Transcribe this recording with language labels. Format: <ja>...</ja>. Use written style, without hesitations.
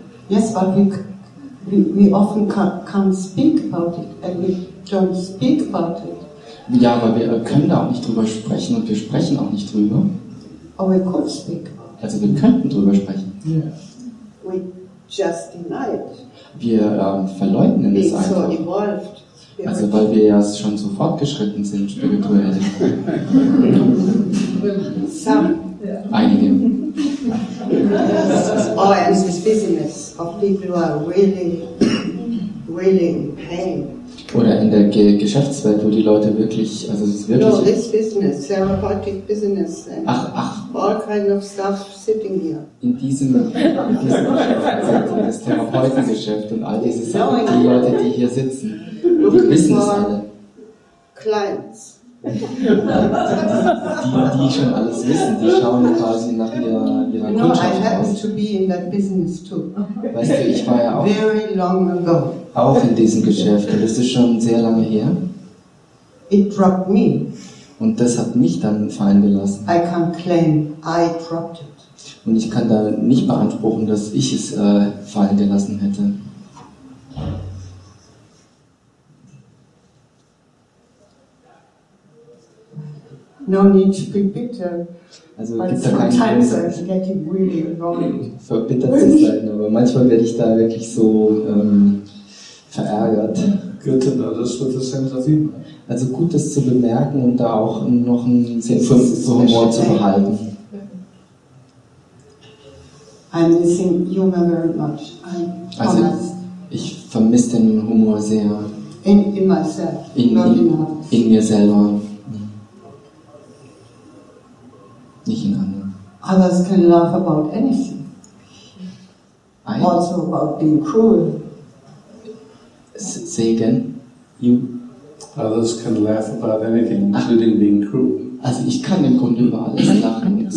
<en>Yes, but we often can't speak about it, and we don't speak about it.</en> <de>Ja, aber wir können da auch nicht drüber sprechen und wir sprechen auch nicht drüber.</de> <en>Oh, we could speak.</en> <de>Also wir könnten drüber sprechen.</de> <en>Yeah. We just deny it.</en> <de>Wir verleugnen</de> <en>it's</en> <de>es einfach.</de> <en>So evolved.</en> <de>Also weil wir ja schon so fortgeschritten sind, spirituell.</de> <en>Some.</en> <de>Einige.</de> <en>Oh, and this business of people who are really, really in pain.</en> <de>Oder in der Geschäftswelt, wo die Leute wirklich, also es ist wirklich...</de> <en>No, this business, therapeutic business.</en> <de>Ach.</de> <en>All kind of stuff sitting here.</en> <de>In diesem Geschäftswelt, in das Therapeutengeschäft und all diese Sachen, die Leute, die hier sitzen, die wissen es alle.</de> <en>Clients.</en> <de>die schon alles wissen, die schauen quasi nach ihrer Kundschaft aus.</de> <en>No, I happen to be in that business too.</en> <de>Weißt du, ich war ja auch...</de> <en>Very long ago.</en> <de>Auch in diesem Geschäft. Und das ist schon sehr lange her.</de> <en>It dropped me.</en> <de>Und das hat mich dann fallen gelassen.</de> <en>I can't claim I dropped it.</en> <de>Und ich kann da nicht beanspruchen, dass ich es fallen gelassen hätte.</de> <en>No need to be bitter.</en> <de>Also</de> <en>sometimes I'm getting really annoyed.</en> <de>Verbittert zu sein, aber manchmal werde ich da wirklich so... verärgert.</de> <en>Good to know this with a sense of humor.</en> <de>Also gut, das zu bemerken und da auch noch einen Sinn für Humor zu behalten.</de> <en>I'm missing humor very much.</en> <de>Also ich vermisse den Humor sehr.</de> <en>In myself.</en> <de>In mir selber. Nicht in anderen.</de> <en>Others can laugh about anything. Also about being cruel. Say again, you. Others can laugh about anything, including being cruel.</en> <de>Also ich kann im Grunde über alles lachen.</de>